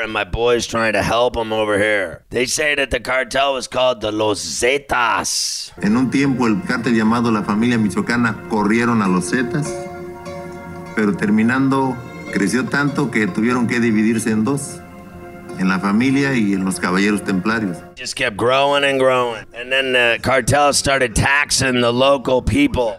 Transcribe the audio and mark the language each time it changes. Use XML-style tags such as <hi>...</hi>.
<en>And my boy's trying to help them over here. They say that the cartel was called the Los Zetas.</en> <es>En un tiempo, el cartel llamado La Familia Michoacana corrieron a Los Zetas. Pero terminando, creció tanto que tuvieron que dividirse en dos. En la familia y en los caballeros templarios.</es> <en>Just kept growing and growing. And then the cartel started taxing the local people.</en>